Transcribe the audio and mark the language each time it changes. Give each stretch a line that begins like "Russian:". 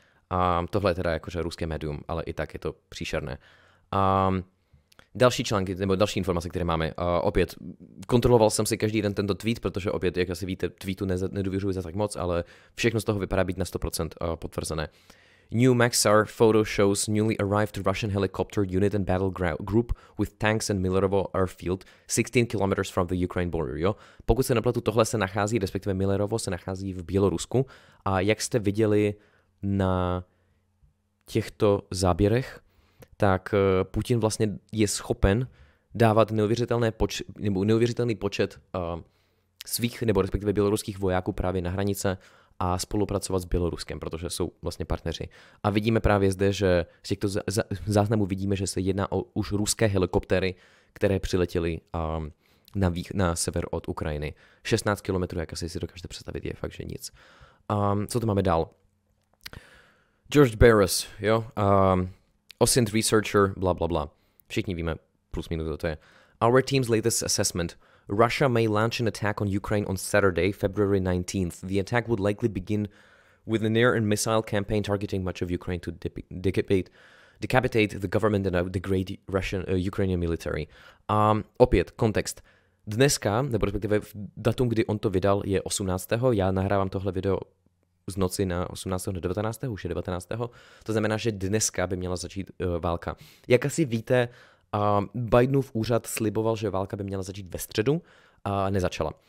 Czech: A tohle je teda jakože ruské médium, ale i tak je to příšerné. A další články, nebo další informace, které máme. A opět, kontroloval jsem si každý den tento tweet, protože opět, jak asi víte, tweetu nedůvěřuji za tak moc, ale všechno z toho vypadá být na 100% potvrzené.
English: New Maxar photo shows newly arrived Russian helicopter unit and battle group with tanks in Millerovo airfield 16 kilometers from the Ukraine border.
Czech: Jo? Pokud se nepletu, tohle se nachází, respektive Millerovo se nachází v Bělorusku. A jak jste viděli na těchto záběrech, tak Putin vlastně je schopen dávat neuvěřitelný počet svých nebo respektive běloruských vojáků právě na hranice a spolupracovat s Běloruskem, protože jsou vlastně partneři. A vidíme právě zde, že z těchto záznamů vidíme, že se jedná o už ruské helikoptéry, které přiletěly na sever od Ukrajiny. 16 kilometrů, jak asi si dokážete představit, je fakt, že nic. Co to máme dál? George Barris, jo?
English: OSINT researcher,
Czech: bla bla bla. Všichni víme, plus minus, co to je.
English: Our team's latest assessment. Russia may launch an attack on Ukraine on Saturday, February 19th. The attack would likely begin with an air and missile campaign targeting much of Ukraine to decapitate the government and degrade Russian Ukrainian military.
Czech: Opět, kontext. Dneska, nebo respektive v datum, kdy on to vydal, je 18. Já nahrávám tohle video z noci na 18. na 19. už je 19. To znamená, že dneska by měla začít válka. Jak asi víte, Bidenův úřad sliboval, že válka by měla začít ve středu a nezačala.